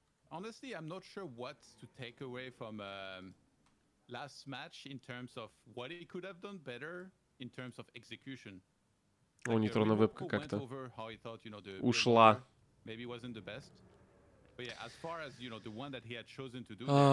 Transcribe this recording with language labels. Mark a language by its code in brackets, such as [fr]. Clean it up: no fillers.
[en] Honestly, I'm not sure what to take away from last match in terms of what he could have done better in terms of execution. [ru] О, Нейтрона вебка как-то ушла. [en] Maybe it wasn't the best. But yeah, as far as, you know, the one that he had chosen to do,